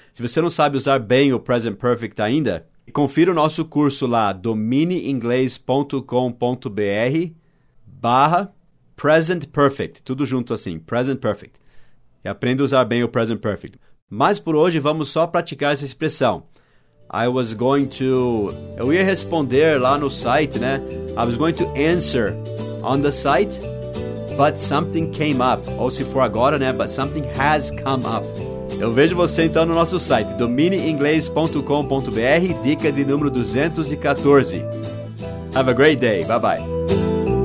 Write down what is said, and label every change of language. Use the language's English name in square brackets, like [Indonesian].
[Portuguese] Se você não sabe usar bem o present perfect ainda, confira o nosso curso lá, domineinglês.com.br/present perfect. Tudo junto assim, present perfect. E aprenda a usar bem o present perfect. Mas por hoje, vamos só praticar essa expressão. [English] I was going to... [Portuguese] Eu ia responder lá no site, né? [English] I was going to answer on the site, but something came up. [Portuguese] Ou se for agora, né? [English] But something has come up. [Portuguese] Eu vejo você então no nosso site, domineinglês.com.br, dica de número 214. [English] Have a great day. Bye-bye.